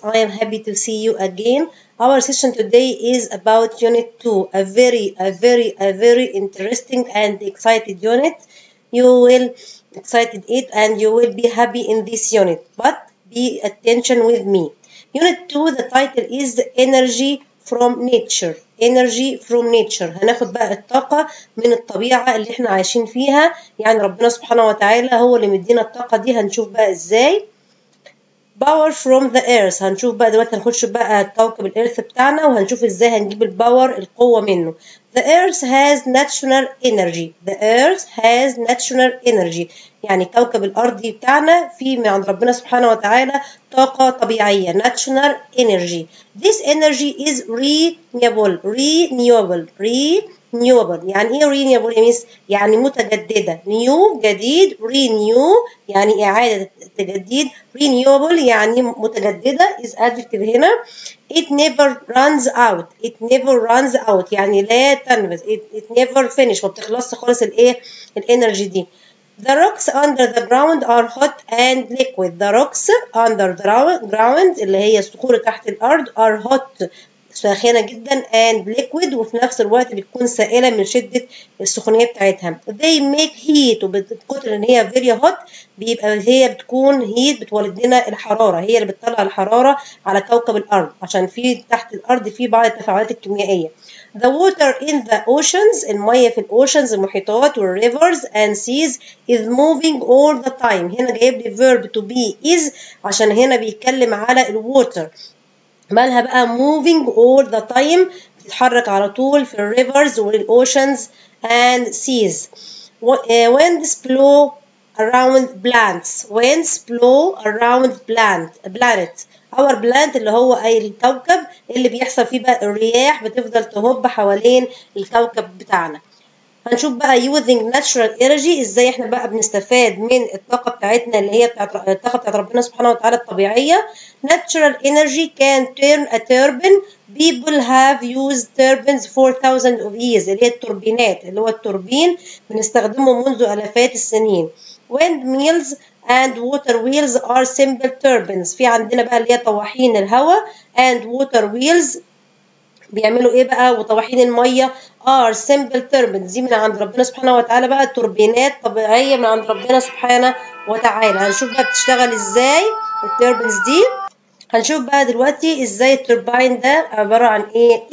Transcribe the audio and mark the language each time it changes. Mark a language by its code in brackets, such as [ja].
[en] I am happy to see you again. Our session today is about Unit 2, a very interesting and excited unit. You will excited it and you will be happy in this unit. But be attention with me. Unit 2, the title is Energy from Nature. Energy from nature. [ar] هناخد بقى الطاقة من الطبيعة اللي احنا عايشين فيها. يعني ربنا سبحانه وتعالى هو اللي مدينا الطاقة دي. هنشوف بقى ازاي. [en] Power from the earth. [ar] هنشوف بقى دلوقتي هنخش بقى كوكب الارث بتاعنا وهنشوف ازاي هنجيب الباور القوة منه. [en] The earth has natural energy. The earth has natural energy. [ar] يعني كوكب الارض بتاعنا فيه من عند ربنا سبحانه وتعالى طاقة طبيعية. [en] Natural energy. This energy is renewable. Renewable. Renewable. [ar] يعني ايه [en] renewable means [ar] يعني متجددة. New جديد. Renew يعني اعادة تجديد. Renewable يعني متجددة [en] is adjective [ar] هنا. [en] It never runs out. It never runs out. [ar] يعني لا تنبس. [en] It never finish. [ar] وبتخلص خلص الايه الانرجي دي. [en] The rocks under the ground are hot and liquid. The rocks under the ground [ar] اللي هي الصخور تحت الارض [en] are hot. [ar] ساخنة جدا [en] and liquid [ar] وفي نفس الوقت بتكون سائلة من شدة السخونية بتاعتها. [en] They make heat [ar] وبتقدر ان هي [en] very hot [ar] بيبقى هي بتكون heat بتولد لنا الحرارة. هي اللي بتطلع الحرارة على كوكب الأرض عشان في تحت الأرض في بعض التفاعلات الكيميائية. [en] The water in the oceans [ar] المية في الأوشنز المحيطات والريفرز [en] and seas is moving all the time. [ar] هنا جايب لي [en] verb to be is [ar] عشان هنا بيتكلم على الwater. مالها بقى [en] moving all the time [ar] بتتحرك على طول في الريفرز والاوشنز [en] and seas. Winds blow around plants. Winds blow around planet. [ar] Our planet اللي هو اي الكوكب اللي بيحصل فيه بقى الرياح بتفضل تهب حوالين الكوكب بتاعنا. هنشوف بقى [en] using natural energy [ar] ازاي احنا بقى بنستفاد من الطاقة بتاعتنا اللي هي الطاقة بتاعت ربنا سبحانه وتعالى الطبيعية. [en] Natural energy can turn a turbine. People have used turbines for thousands of years. [ar] اللي هي التوربينات اللي هو التوربين بنستخدمه منذ آلافات السنين. [en] Windmills and water wheels are simple turbines. [ar] في عندنا بقى اللي هي طواحين الهواء [en] and water wheels [ar] بيعملوا ايه بقى وطواحين الميه [en] are simple turbines [ar] دي من عند ربنا سبحانه وتعالى بقى توربينات طبيعيه من عند ربنا سبحانه وتعالى. هنشوف بقى بتشتغل ازاي التوربينز دي. هنشوف بقى دلوقتي ازاي التوربين ده عباره عن ايه.